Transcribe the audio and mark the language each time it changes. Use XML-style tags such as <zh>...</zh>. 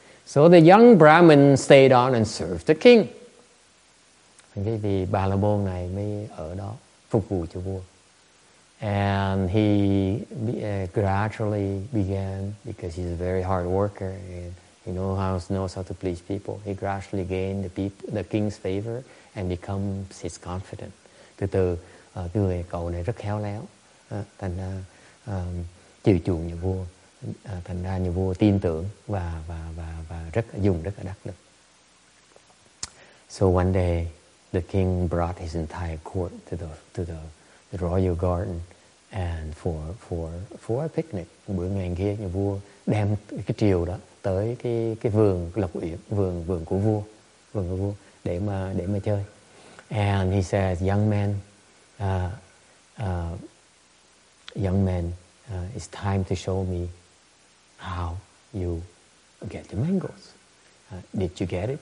<en>So the young Brahmin stayed on and served the king.</en> <vi>Cái vị Bà La Môn này mới ở đó phục vụ cho vua.</vi> <en>And he gradually began, because he's a very hard worker and he knows how to please people, he gradually gained the king's favor and becomes his confidant.</en> <vi>Từ từ, người cậu này rất khéo léo, thành ra chiều chuộng nhà vua, thành ra nhà vua tin tưởng và rất dùng rất là đắc lực.</vi> <en>So one day, the king brought his entire court to the royal garden, and for a picnic.</en> <vi>Bữa ngày kia nhà vua đem cái triều đó tới cái vườn lộc uyển, vườn của vua để mà chơi.</vi> <en>And he says, young man, it's time to show me how you get the mangoes. Did you get it?</en>